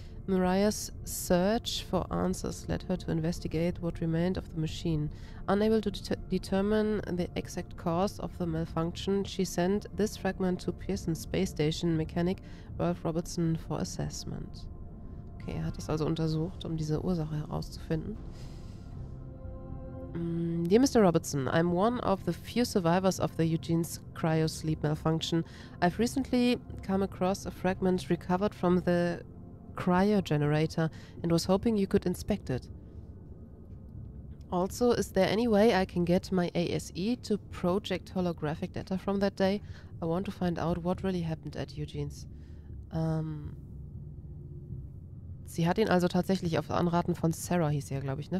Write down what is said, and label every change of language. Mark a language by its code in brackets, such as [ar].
[en] Mariah's search for answers led her to investigate what remained of the machine. Unable to determine the exact cause of the malfunction, she sent this fragment to Pearson Space Station mechanic Ralph Robertson for assessment. [de] Okay, er hat es also untersucht, um diese Ursache herauszufinden. [en] Dear Mr. Robertson, I'm one of the few survivors of the Eugene's cryosleep malfunction. I've recently come across a fragment recovered from the cryo generator and was hoping you could inspect it. Also, is there any way I can get my ASE to project holographic data from that day? I want to find out what really happened at Eugene's. [de] Sie hat ihn also tatsächlich auf Anraten von Sarah, hieß sie ja, glaube ich, ne?